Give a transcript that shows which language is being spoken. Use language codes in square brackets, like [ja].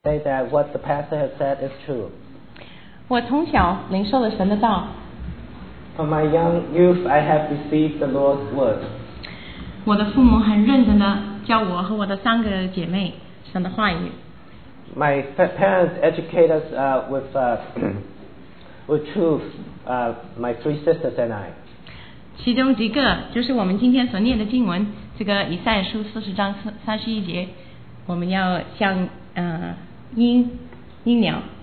[en] say that what the pastor has said is true. [zh] 我从小领受了神的道。 [en] From my young youth, I have received the Lord's word. [zh] 我的父母很认真地教我和我的三个姐妹神的话语。 [en] My parents educated us with truth, my three sisters and I. [zh] 其中一个就是我们今天所念的经文，这个以赛亚书四十章三十一节，我们要向鹰鸟。